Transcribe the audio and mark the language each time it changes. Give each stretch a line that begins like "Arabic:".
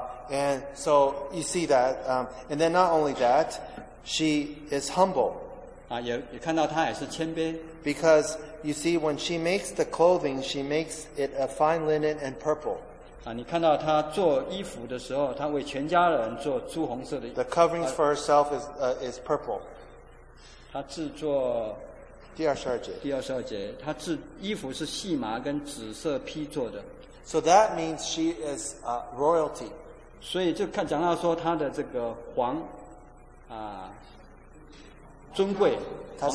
English: And so you see that, and then not only that, she is humble.
Chinese: 也看到她也是谦卑。
English: Because you see, when she makes the clothing, she makes it a fine linen and purple.
Chinese: 你看到她做衣服的时候，她为全家人做朱红色的。
English: The coverings for herself is purple.
Chinese: 她制作第二十二节。第二十二节，她制衣服是细麻跟紫色披做的。
English: So that means she is royalty.
Chinese: 所以就看讲到说她的这个皇尊贵，皇